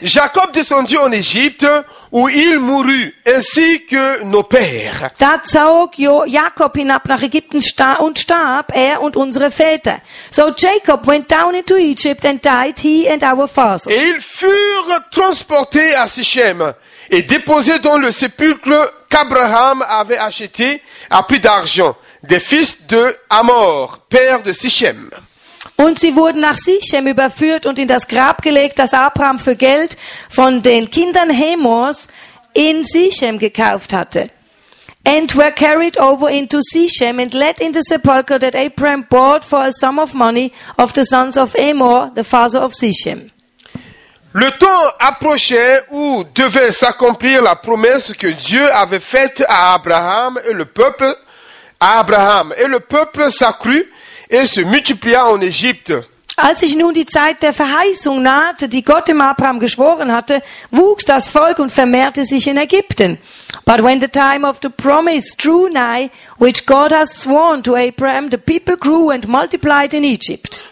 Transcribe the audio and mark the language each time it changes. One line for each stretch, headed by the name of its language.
French: Jacob descendit en Égypte où il mourut ainsi que nos pères.
German: Da zog Jakob hinab nach Ägypten und starb er und unsere Väter.
English: So Jacob went down into Egypt and died he and our fathers.
French: Et ils furent transportés à Sichem et déposés dans le sépulcre qu'Abraham avait acheté à prix d'argent des fils de Hamor, père de Sichem.
German: Und sie wurden nach Sichem überführt und in das Grab gelegt, das Abraham für Geld von den Kindern Hamors in Sichem gekauft hatte.
English: And were carried over into Sichem and laid in the sepulcher that Abraham bought for a sum of money of the sons of Hamor, the father of Sichem.
French: Le temps approchait où devait s'accomplir la promesse que Dieu avait faite à Abraham et le peuple. À Abraham et le peuple s'accrut et se multiplia en Égypte.
German: Als sich nun die Zeit der Verheißung nahte, die Gott dem Abraham geschworen hatte, wuchs das Volk und vermehrte sich in Ägypten.
English: But when the time of the promise drew nigh, which God has sworn to Abraham, the people grew and multiplied in Egypt.